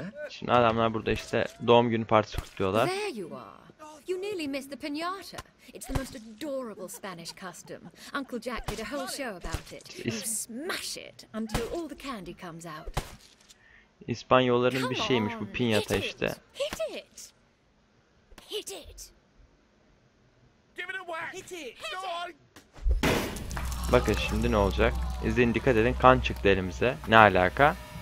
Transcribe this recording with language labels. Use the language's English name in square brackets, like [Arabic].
[Turkish] Şimdi adamlar burada işte doğum günü partisi kutluyorlar. [English] You nearly missed the piñata. It's the most adorable Spanish custom. Uncle Jack did a whole show about it. You smash it until all the candy comes out. [Turkish] İspanyolların bir şeymiş bu piñata işte. [English] Hit it. Hit it. Give it a whack. Hit it. [Turkish] Bakın şimdi ne olacak? İzleyin dikkat edin. Kan çıktı elimize. Ne alaka?